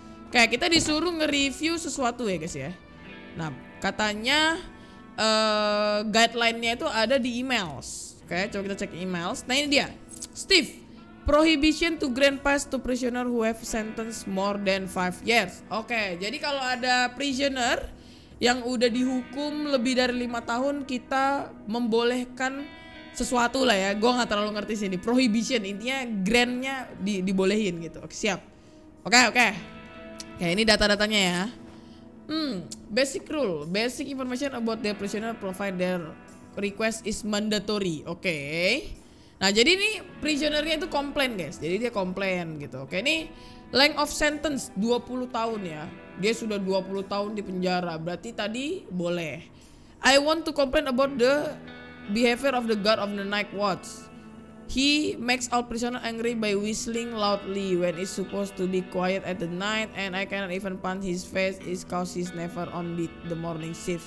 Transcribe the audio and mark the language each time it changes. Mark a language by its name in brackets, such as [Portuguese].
[Indonesian] Kayak kita disuruh nge-review sesuatu ya, guys ya. Nah, katanya guideline-nya itu ada di emails. Oke, coba kita cek emails. Nah, ini dia. [English] Steve, prohibition to grant pass to prisoner who have sentence more than 5 years. [Indonesian] Oke, jadi kalau ada prisoner yang udah dihukum lebih dari 5 tahun, kita membolehkan sesuatu lah ya. Gua enggak terlalu ngerti sini. Prohibition intinya grant-nya dibolehin gitu. Oke, siap. Oke. Ya, ini data-datanya ya. Basic rule. [English] Basic information about the prisoner provide their request is mandatory. Oke. [Indonesian] Nah, jadi ini prisionernya itu komplain, guys. Jadi dia komplain gitu. Oke, ini length of sentence 20 tahun ya. Dia sudah 20 tahun di penjara. Berarti tadi boleh. [English] I want to complain about the behavior of the guard of the night watch. He makes all prisoners angry by whistling loudly when it's supposed to be quiet at the night, and I cannot even punch his face is cause he's never on the morning shift.